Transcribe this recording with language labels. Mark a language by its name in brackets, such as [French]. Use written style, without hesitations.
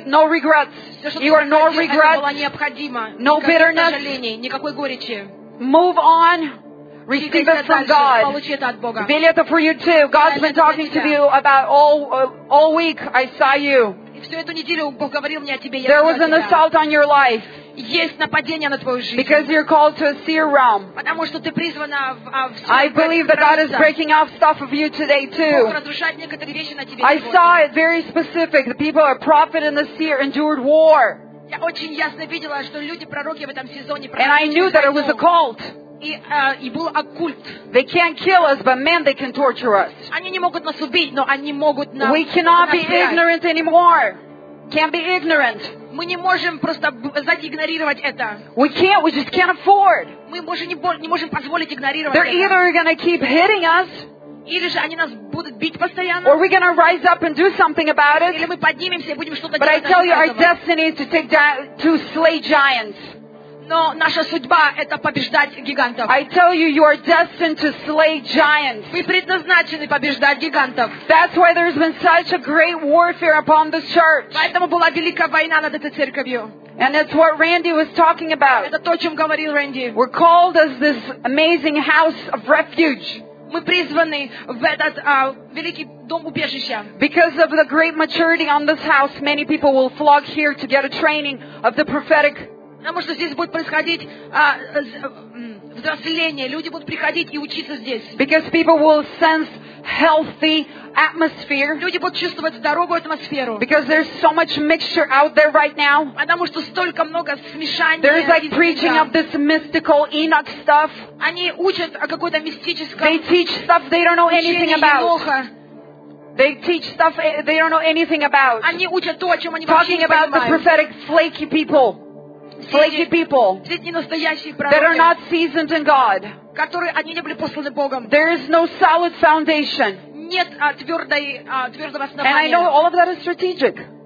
[English] No regrets. You are no regrets. No bitterness. Move on. Receive it from God. Believe it for you too. God's been talking to you about all week. I saw you. There was an assault on your life. [Russian] Есть нападение на твою жизнь. [English] Because you're called to a seer realm. [Russian] Потому что ты призвана в сферу. [English] I believe that God is breaking off stuff of you today too. [Russian] Бог разрушает некоторые вещи на тебе. [English] I saw it very specific. The people, a prophet and the seer, endured war. [Russian] Я очень ясно видела, что люди, пророки в этом сезоне. [English] And I knew that it was a cult. [Russian] И был оккульт. [English] They can't kill us, but man, they can torture us. [Russian] Они не могут нас убить, но они могут нас. [English] We cannot be ignorant anymore. Can't be ignorant. [Russian] Мы не можем просто игнорировать это. [English] We can't. We just can't afford. [Russian] Мы не можем позволить игнорировать. [English] They're either gonna keep hitting us. [Russian] Или же они нас будут бить постоянно. [English] Or we're gonna rise up and do something about it. [Russian] Или мы поднимемся и будем что-то делать. [English] But I tell you, our destiny is to take to slay giants. [Russian] Но наша судьба это побеждать гигантов. [English] I tell you, you are destined to slay giants. [Russian] Вы предназначены побеждать гигантов. [English] That's why there's been such a great warfare upon this church. [Russian] Поэтому была великая война над этой церковью. [English] And it's what Randy was talking about. [Russian] Это то, о чем говорил Рэнди. [English] We're called as this amazing house of refuge. [Russian] Мы призваны в этот великий дом убежища. [English] Because of the great maturity on this house, many people will flock here to get a training of the prophetic. [Russian] Потому что здесь будет происходить взросление. Люди будут приходить и учиться здесь. [English] Because people will sense healthy atmosphere. [Russian] Люди будут чувствовать здоровую атмосферу. [English] Because there's so much mixture out there right now. [Russian] Потому что столько много смешания. [English] There is like preaching of this mystical Enoch stuff. [Russian] Они учат о какой-то мистической. [English] They teach stuff they don't know anything about. [Russian] Еноха. [English] They teach stuff they don't know anything about. [Russian] Они учат то, о чем они вообще не понимают. [English] Talking about the prophetic flaky people. Flaky people that are not seasoned in God. There is no solid foundation. And I know all of that is strategic.